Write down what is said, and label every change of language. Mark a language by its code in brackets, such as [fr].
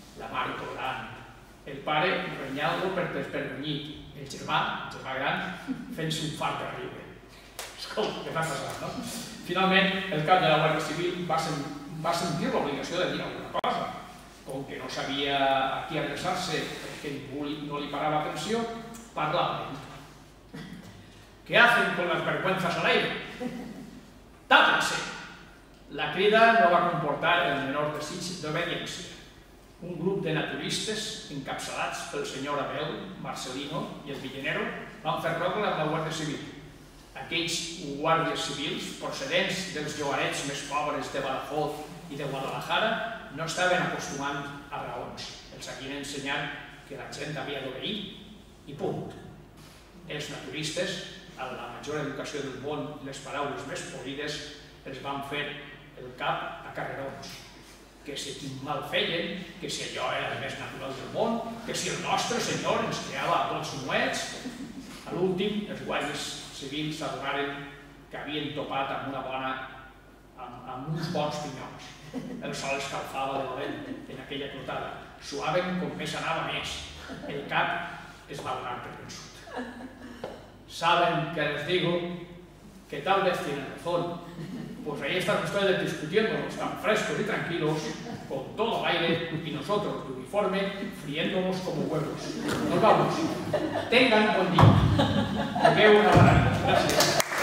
[ca] La mare plorant, el pare renyant-lo per desvergonyit, el germà, gran, fent-se un fart de riure. Escolta, què va passar, no? Finalment, el cap de la Guàrdia Civil va sentir l'obligació de dir alguna cosa, com que no sabia a qui adreçar-se perquè ningú no li parava atenció, parlava amb ell. [es] ¿Qué hacen con las vergüenzas al aire? ¡Tápense! [ca] La crida no va comportar el menor desig d'obediència. Un grup de naturistes, encapçalats pel senyor Abel, Marcelino i el Villanero, van fer rogle amb la Guàrdia Civil. Aquells guàrdies civils, procedents dels llogarets més pobres de Badajoz i de Guadalajara, no estaven acostumant a raons. Els havien ensenyat que la gent havia d'obeir i punt. Els naturistes, amb la major educació del món i les paraules més polides, els van fer el cap a carrerons. Que si quin mal feien, que si allò era el més natural del món, que si el nostre senyor ens creava tots nuets. A l'últim, els guàrdies civils s'adonaren que havien topat amb una bona... amb uns bons pinyons. El sol escalfava de dolent en aquella trotada. Suaven com més anava més. El cap es va donar per vençut. [es] Saben que les digo que tal vez tienen razón. Pues ahí están ustedes discutiéndonos tan frescos y tranquilos, con todo el aire y nosotros de uniforme, friéndonos como huevos. Nos vamos. Tengan buen día. Que una barata. Gracias.